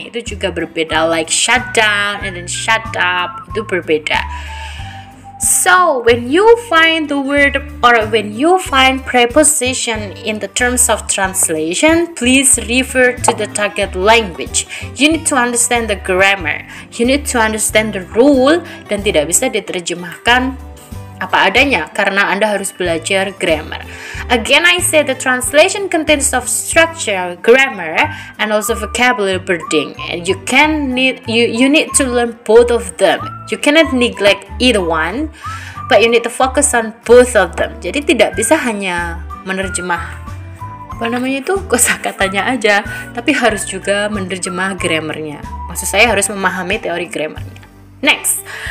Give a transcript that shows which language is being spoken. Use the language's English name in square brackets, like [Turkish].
[Indonesian] Itu juga berbeda, [English] like shut down and then shut up, [Indonesian] itu berbeda. [English] So when you find the word or when you find preposition in the terms of translation, please refer to the target language. You need to understand the grammar. You need to understand the rule, [Indonesian] dan tidak bisa diterjemahkan apa adanya, karena Anda harus belajar grammar. [English] Again, I say the translation contains of structure, grammar, and also vocabulary building. And you need to learn both of them. You cannot neglect either one, but you need to focus on both of them. [Indonesian] Jadi tidak bisa hanya menerjemah apa namanya itu kosakatanya aja, tapi harus juga menerjemah grammarnya. Maksud saya harus memahami teori grammarnya. Next.